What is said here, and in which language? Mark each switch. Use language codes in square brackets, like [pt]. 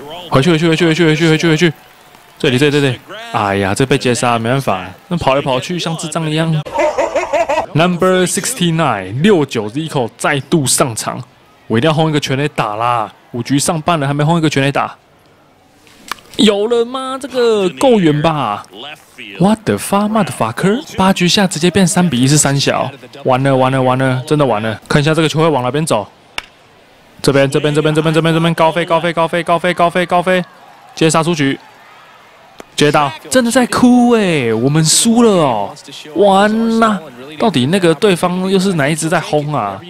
[zh] 回去，回去，回去，回去，回去，回去，回去！这里，这里，这里！哎呀，这被截杀，没办法，那跑来跑去像智障一样。 Number 69 69 Zico 再度上场，我一定要轰一个全垒打啦！五局上半了，还没轰一个全垒打，有了吗？这个够远吧 ？ [en] What the fuck, motherfucker！ [zh] 八局下直接变3-1，是三小，完了完了完了，真的完了！看一下这个球会往哪边走，这边这边这边这边这边这边高飞高飞高飞高飞高飞高飞，接杀出局，接到，真的在哭欸，我们输了哦，完啦，到底那个对方又是哪一只在轰啊？